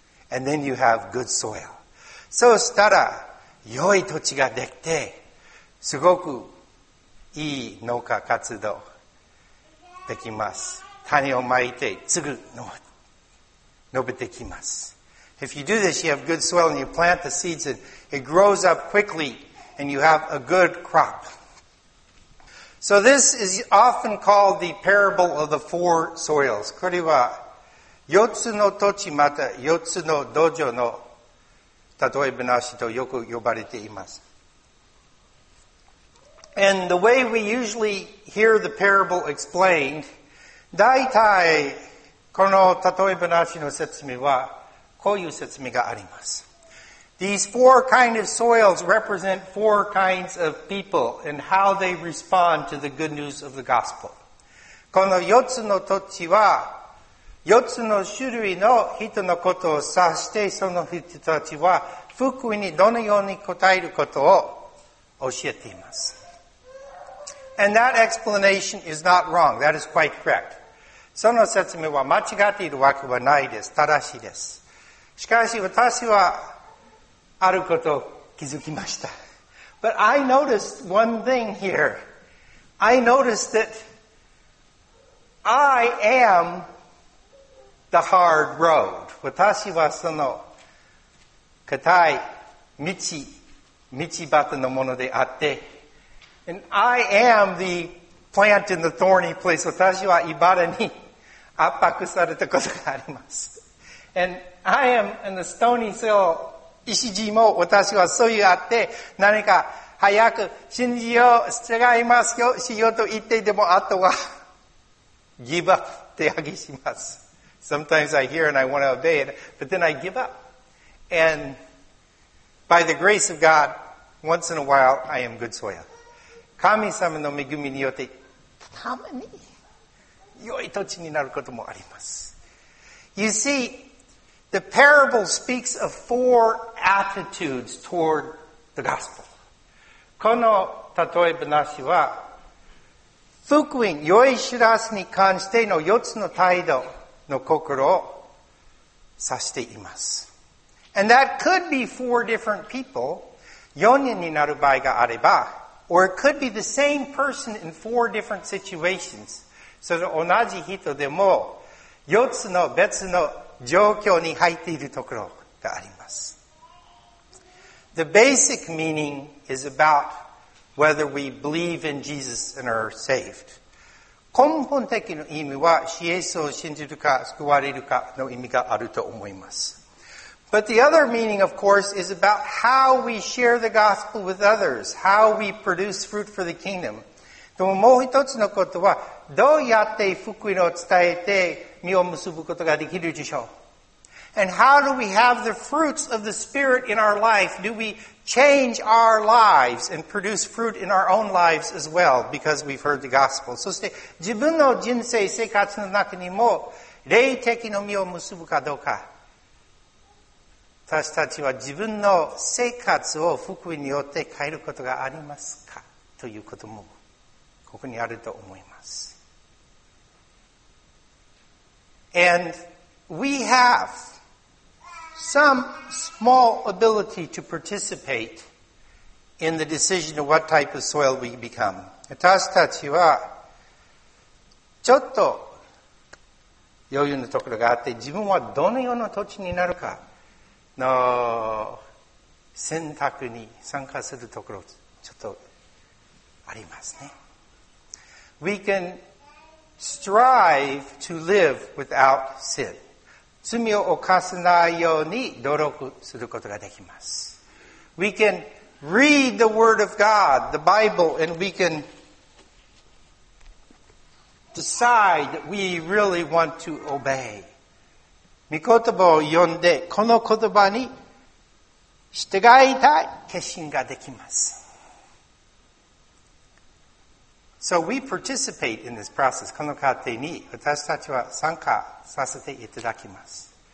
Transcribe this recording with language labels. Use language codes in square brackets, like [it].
[en] And then you have good soil. [ja] そうしたら良い土地ができて、すごくいい農家活動できます。種をまいて、すぐ述べてきます。 [en] If you do this, you have good soil and you plant the seeds and it grows up quickly and you have a good crop. So this is often called the parable of the four soils. [ja] これは四つの土地また四つの土壌の例え話とよく呼ばれています。 [en] And the way we usually hear the parable explained, [ja] 大体この例え話の説明はこういう説明があります。 [en] These four kind of soils represent four kinds of people and how they respond to the good news of the gospel. [ja] この四つの土地は四つの種類の人のことを指してその人たちは福音にどのように答えることを教えています。 [en] And that explanation is not wrong. That is quite correct. [ja] その説明は間違っているわけはないです。正しいです。しかし私はあることを気づきました。 [en] But I noticed one thing here. I noticed that I am the hard road. [ja] 私はその硬い道端のものであって、 [en] And I am the plant in the thorny place. [ja] 私は茨に圧迫されたことがあります。 [en] And I am in the stony soil. [ja] 石地も私はそういうあって、何か早く信じよう、従いますよ、しようと言ってでも、あとは、 [en] give up、 [ja] 手上げします。 [en] Sometimes I hear and I want to obey it, but then I give up. And by the grace of God, once in a while, I am good soil. [ja] 神様の恵みによってたまに良い土地になることもあります。 [en] You see, the parable speaks of four attitudes toward the gospel. [ja] この例え話は福音、良い知らせに関しての四つの態度の心を指しています。 [en] And that could be four different people. [ja] 四人になる場合があれば、 [en] Or it could be the same person in four different situations. [ja] So, 同じ人でも四つの別の状況に入っているところがあります。 [en] The basic meaning is about whether we believe in Jesus and are saved. [ja] 根本的な意味は、イエスを信じるか救われるかの意味があると思います。 [en] But the other meaning, of course, is about how we share the gospel with others, how we produce fruit for the kingdom. [ja] でももう一つのことは、どうやって福音を伝えて実を結ぶことができるでしょう。 [en] And how do we have the fruits of the Spirit in our life? Do we change our lives and produce fruit in our own lives as well because we've heard the gospel? [ja] そして自分の人生生活の中にも霊的の実を結ぶかどうか。私たちは自分の生活を福音によって変えることがありますかということもここにあると思います。 [en] And we have some small ability to participate in the decision of what type of soil we become. [ja] 私たちはちょっと余裕のところがあって自分はどのような土地になるかの選択に参加するところちょっとありますね。 [en] We can strive to live without sin. [ja] 罪を犯さないように努力することができます。 [en] We can read the Word of God, the Bible, and we can decide that we really want to obey. [ja] 御言葉を読んで、この言葉に従いたい決心ができます。 [en] So we participate in this process. [ja] この過程に私たちは参加させていただきます。